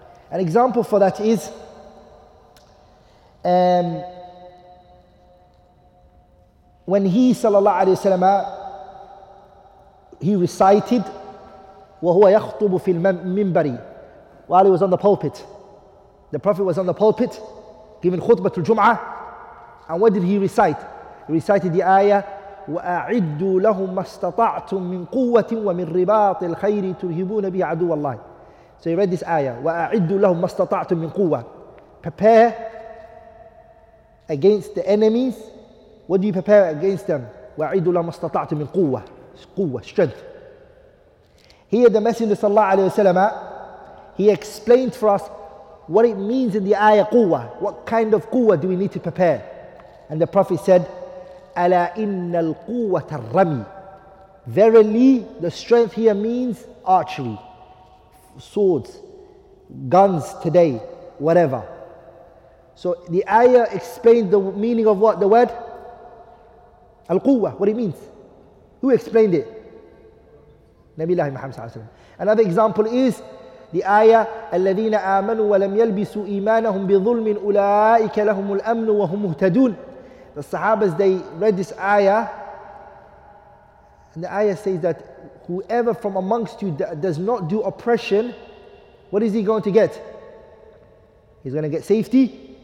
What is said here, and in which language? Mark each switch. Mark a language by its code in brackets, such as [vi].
[en] An example for that is, when he sallallahu alayhi wa sallam, he recited [ar] وَهُوَ يَخْطُبُ فِي الْمِنْبَرِ, [en] while he was on the pulpit. The Prophet was on the pulpit giving khutbah to Jum'ah, and what did he recite? He recited the ayah [ar] وَأَعِدُّوا لَهُمْ مَا اسْتَطَعْتُمْ مِنْ قُوَّةٍ وَمِنْ رِبَاطِ الْخَيْرِ تُرْهِبُونَ بِهِ عَدُوَ اللَّهِ. [en] So he read this ayah [ar] وَأَعِدُّوا لَهُمْ مَا اسْتَطَعْتُمْ مِنْ قُوَّةٍ. [en] Prepare against the enemies. What do you prepare against them? [ar] وَعِدُوا لَمَا اسْتَطَعْتُ مِنْ قُوَّةِ, [en] strength. Here the Messenger sallallahu alayhi wa sallam, he explained for us what it means in the ayah قُوَّة. What kind of قُوَّة do we need to prepare? And the Prophet said, [ar] أَلَا إِنَّ الْقُوَّةَ الرَّمِي. [en] Verily, the strength here means archery, swords, guns today, whatever. So the ayah explained the meaning of what? The word? Al-Quwwah, what it means. Who explained it? Nabiullah Muhammad sallallahu alayhi wa sallam. Another example is the ayah, [ar] الَّذِينَ آمَنُوا وَلَمْ يَلْبِسُوا إِيمَانَهُمْ بِظُلْمٍ أُولَٰئِكَ لَهُمُ الْأَمْنُ وَهُمْ مُهْتَدُونَ. [en] The Sahabas, they read this ayah, and the ayah says that whoever from amongst you that does not do oppression, what is he going to get? He's going to get safety.